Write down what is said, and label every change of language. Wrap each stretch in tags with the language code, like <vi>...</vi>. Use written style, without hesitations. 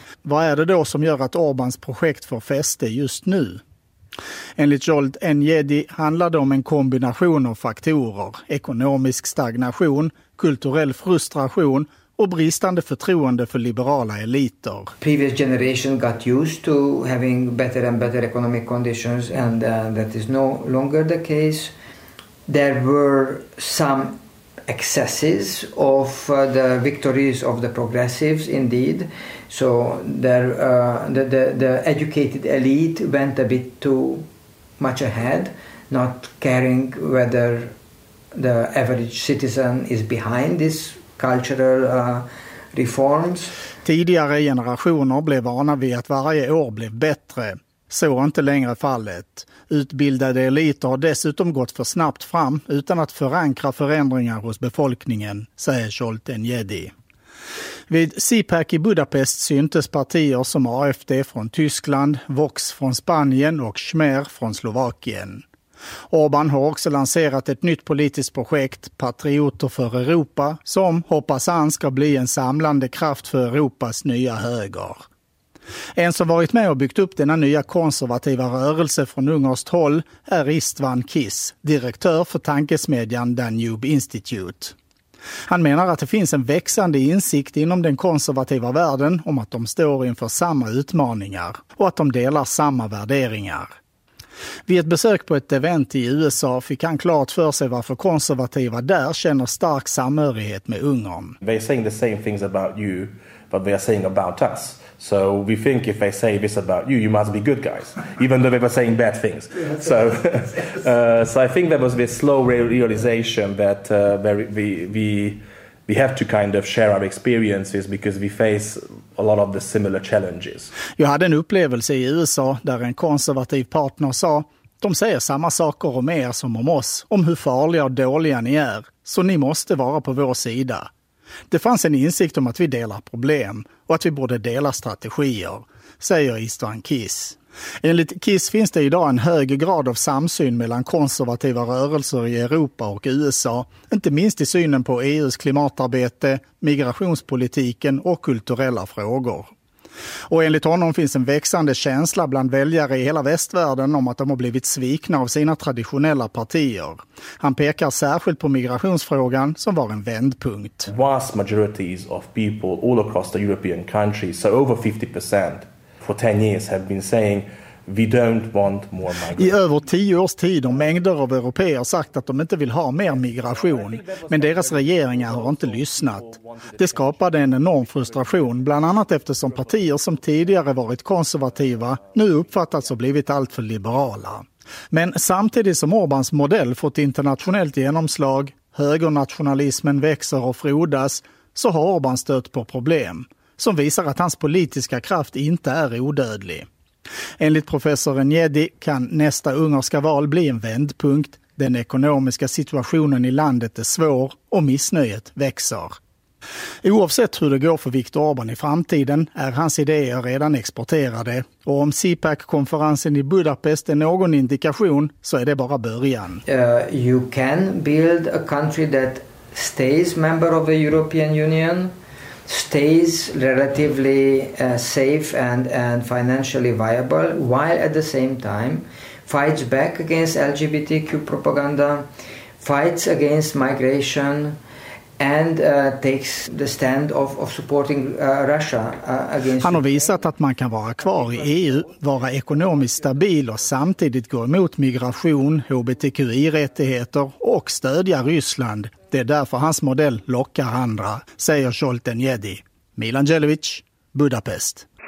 <sv>Vad är det då som gör att Orbáns projekt får fäste just nu? Enligt Zoltán Jedi handlar det om en kombination av faktorer, ekonomisk stagnation, kulturell frustration och bristande förtroende för liberala eliter.</sv> <en>Previous generation got used to having better and better economic conditions and that is no longer the case. There were some excesses of the victories of the progressives indeed. So the educated elite went a bit too much ahead, not caring whether the average citizen is behind these cultural reforms.</en> <sv>Tidigare generationer blev vana vid att varje år blev bättre. Så är inte längre fallet. Utbildade eliter har dessutom gått för snabbt fram utan att förankra förändringar hos befolkningen, säger Zoltán Jedi. Vid CPAC i Budapest syntes partier som AfD från Tyskland, Vox från Spanien och Schmer från Slovakien. Orbán har också lanserat ett nytt politiskt projekt, Patrioter för Europa, som hoppas han ska bli en samlande kraft för Europas nya höger. En som varit med och byggt upp denna nya konservativa rörelse från ungerskt håll är István Kiss, direktör för tankesmedjan Danube Institute. Han menar att det finns en växande insikt inom den konservativa världen om att de står inför samma utmaningar och att de delar samma värderingar. Vid ett besök på ett event i USA fick han klart för sig varför konservativa där känner stark samhörighet med Ungern.</sv> <en>They are saying the same things about you, but they are saying about us. So we think if they say this about you, you must be good guys, even though they were saying bad things. So I think there was this slow realization that we have to kind of share our experiences because we face a lot of the similar challenges.</en> <sv>Jag hade en upplevelse i USA där en konservativ partner sa, de säger samma saker om er som om oss, om hur farliga och dåliga ni är, så ni måste vara på vår sida. Det fanns en insikt om att vi delar problem och att vi borde dela strategier, säger István Kiss. Enligt Kiss finns det idag en hög grad av samsyn mellan konservativa rörelser i Europa och USA, inte minst i synen på EUs klimatarbete, migrationspolitiken och kulturella frågor. Och enligt honom finns en växande känsla bland väljare i hela västvärlden om att de har blivit svikna av sina traditionella partier. Han pekar särskilt på migrationsfrågan som var en vändpunkt.</sv> <en>Vast majorities of people all across the European countries, so over 50% for 10 years have been saying we don't want more migration.</en> <sv>I över 10 års tid har mängder av europeer sagt att de inte vill ha mer migration, men deras regeringar har inte lyssnat. Det skapade en enorm frustration, bland annat eftersom partier som tidigare varit konservativa nu uppfattats och blivit allt för liberala. Men samtidigt som Orbans modell fått internationellt genomslag, högernationalismen växer och frodas, så har Orbán stött på problem som visar att hans politiska kraft inte är odödlig. Enligt professor Enyedi kan nästa ungerska val bli en vändpunkt. Den ekonomiska situationen i landet är svår och missnöjet växer. Oavsett hur det går för Viktor Orbán i framtiden är hans idéer redan exporterade. Och om CPAC-konferensen i Budapest är någon indikation så är det bara början.</sv> <en>You can build a country that stays member of the European Union, stays relatively safe and financially viable, while at the same time fights back against LGBTQ propaganda, fights against migration, and takes the stand of supporting Russia against.</en> <sv>Han har visat att man kan vara kvar i EU, vara ekonomiskt stabil och samtidigt gå emot migration, HBTQI-rättigheter och stödja Ryssland. Det är därför hans modell lockar andra, säger Zsoltán Jedi. Milan Jelovic, Budapest.</sv>